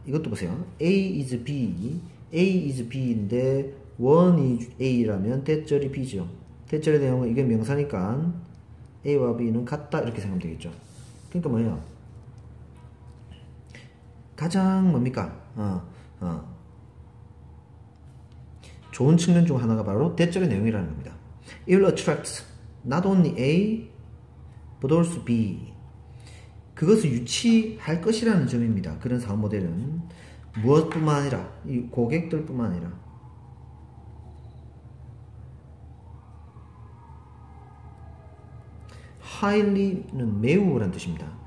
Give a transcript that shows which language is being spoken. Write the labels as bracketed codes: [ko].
[ko] 이것도 보세요. [en] A is B. A is B [ko] 인데 one is A라면 대절이 B죠. 대절의 내용은 이게 명사니까 A와 B는 같다 이렇게 생각하면 되겠죠. 그러니까 뭐예요? 가장 뭡니까? 좋은 측면 중 하나가 바로 대절의 내용이라는 겁니다. [en] It will attract not only A but also B. [ko] 그것을 유치할 것이라는 점입니다. 그런 사업 모델은 무엇뿐만 아니라 이 고객들뿐만 아니라 highly는 매우라는 뜻입니다.